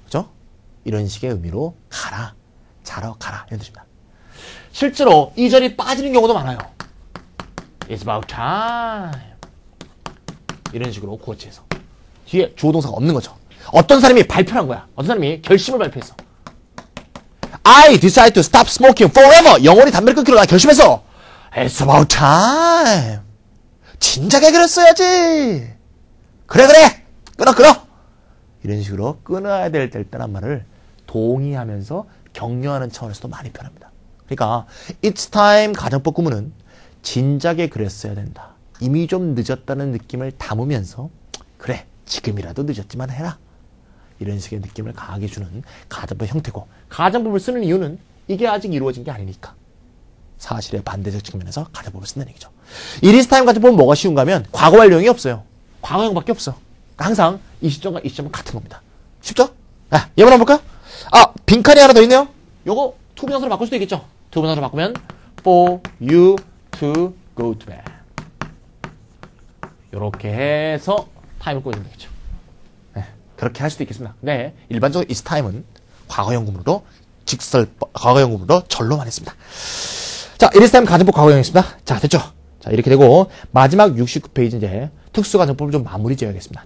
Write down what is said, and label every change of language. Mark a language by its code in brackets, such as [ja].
[ko] 그죠? 이런 식의 의미로 가라. 자러 가라. 이런 뜻입니다. 실제로 이 절이 빠지는 경우도 많아요. [en] It's about time. [ko] 이런 식으로 고치해서 뒤에 조동사가 없는 거죠. 어떤 사람이 발표한 거야. 어떤 사람이 결심을 발표했어. [en] I decide to stop smoking forever. [ko] 영원히 담배를 끊기로 나 결심했어. [en] It's about time. [ko] 진작에 그랬어야지. 그래. 끊어. 이런 식으로 끊어야 될 때란 말을 동의하면서 격려하는 차원에서도 많이 표현합니다. 그러니까 It's time 가정법 구문은 진작에 그랬어야 된다. 이미 좀 늦었다는 느낌을 담으면서, 그래, 지금이라도 늦었지만 해라. 이런 식의 느낌을 강하게 주는 가정법 형태고, 가정법을 쓰는 이유는 이게 아직 이루어진 게 아니니까. 사실의 반대적 측면에서 가정법을 쓴다는 얘기죠. It is time 가정법은 뭐가 쉬운가 하면, 과거 완료형이 없어요. 과거형밖에 없어. 항상 이 시점과 이 시점은 같은 겁니다. 쉽죠? 아, 예문 한번 볼까요? 아, 빈칸이 하나 더 있네요. 요거, 투 분사로 바꿀 수도 있겠죠? 투 분사로 바꾸면, [en] for you, To go to bed. [ko] 이렇게 해서 타임을 꽂으면 되겠죠. 네, 그렇게 할 수도 있겠습니다. 네, 일반적으로 is time은 과거형 구문으로 과거형 구문으로 절로 많이 씁니다. 자, it is time 가정법 과거형이었습니다. 자, 됐죠? 자, 이렇게 되고 마지막 69페이지 이제 특수 가정법을 좀 마무리 지어야겠습니다.